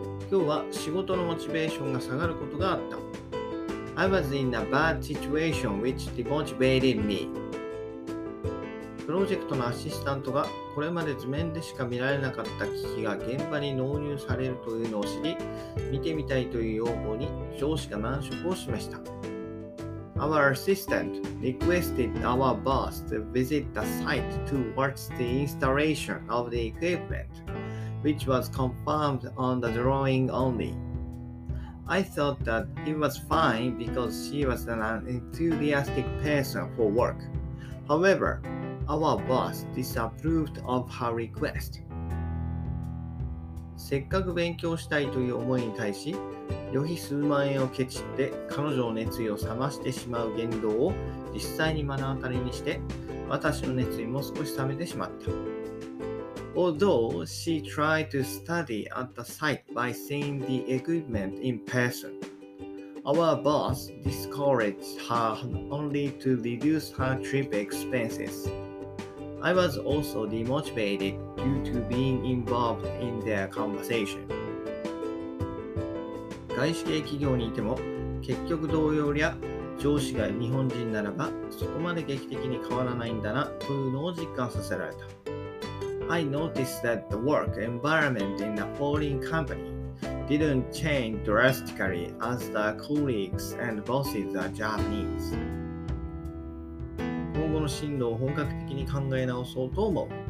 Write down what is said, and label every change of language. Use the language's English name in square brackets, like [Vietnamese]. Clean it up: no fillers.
[Japanese] 今日は仕事のモチベーションが下がることがあった。 [English] I was in a bad situation which demotivated me. [Japanese] プロジェクトのアシスタントがこれまで図面でしか見られなかった機器が現場に納入されるというのを知り、見てみたいという要望に上司が難色を示した。 [English] Our assistant requested our boss to visit the site to watch the installation of the equipment, which was confirmed on the drawing only. I thought that it was fine because she was an enthusiastic person for work. However, our boss disapproved of her request. [Japanese] せっかく勉強したいという思いに対し、旅費数万円をケチって彼女の熱意を冷ましてしまう言動を実際に目の当たりにして、私の熱意も少し冷めてしまった。 [English] Although she tried to study at the site by seeing the equipment in person, our boss discouraged her only to reduce her trip expenses. I was also demotivated due to being involved in their conversation. [Japanese] 外資系企業にいても、結局同様や上司が日本人ならば、そこまで劇的に変わらないんだな、というのを実感させられた。 [English] I noticed that the work environment in a foreign company didn't change drastically as the colleagues and bosses are Japanese. [Japanese] 今後の進路を本格的に考え直そうと思う。